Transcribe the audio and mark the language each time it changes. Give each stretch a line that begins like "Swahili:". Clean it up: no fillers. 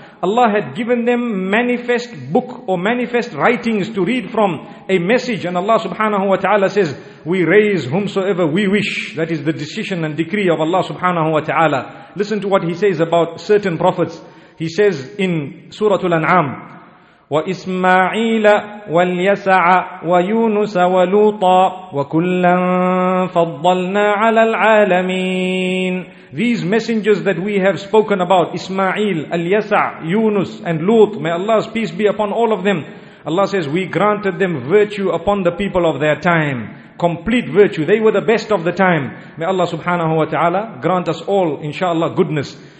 English: Allah had given them manifest book or manifest writings to read from, a message. And Allah subhanahu wa ta'ala says, we raise whomsoever we wish. That is the decision and decree of Allah subhanahu wa ta'ala. Listen to what he says about certain prophets. He says in Surah Al-An'am,
Arabic: وإسماعيل واليسع ويونس ولوطا وكلا فضلنا على العالمين
English: These messengers that we have spoken about, Ismail, Al-Yasa, Yunus and Lut, may Allah's peace be upon all of them. Allah says, we granted them virtue upon the people of their time. Complete virtue. They were the best of the time. May Allah subhanahu wa ta'ala grant us all, inshallah, goodness.